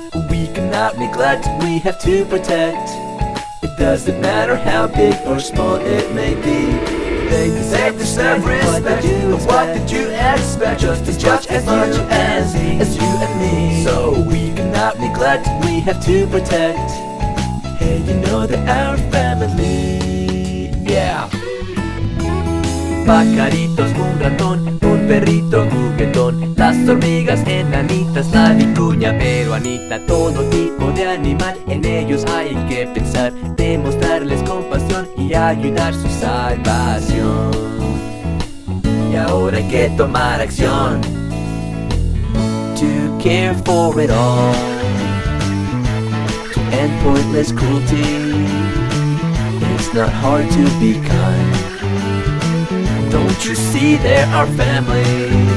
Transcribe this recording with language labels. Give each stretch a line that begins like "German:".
English: We cannot neglect, we have to protect. It doesn't matter how big or small it may be. They deserve respect, what did you expect? Just as much as you and me. As you and me. So we cannot neglect, we have to protect. Hey, you know they're our family. Yeah.
Spanish: Pajaritos, un ratón, un perrito juguetón. Las hormigas, enanitas, la vicuña, pero Anita. Todo tipo de animal, en ellos hay que pensar. Demostrarles compasión y ayudar su salvación. Y ahora hay que tomar acción.
English: To care for it all. To end pointless cruelty. It's not hard to be kind. Don't you see they're our family?